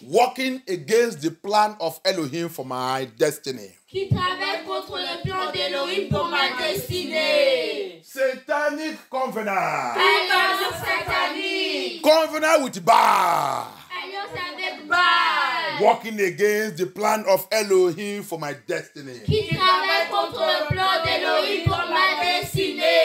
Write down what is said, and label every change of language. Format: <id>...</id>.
<en>Working against the plan of Elohim for my destiny.</en> <fr>Qui travaille contre le plan d'Elohim pour ma destinée.</fr> <en>Satanic covenant.</en> <fr>Tout alliance satanique.</fr> <en>Covenant with Baal.</en> <fr>Alliance avec Baal.</fr> <en>Working against the plan of Elohim for my destiny.</en> <fr>Qui travaille contre le plan d'Elohim pour ma destinée.</fr>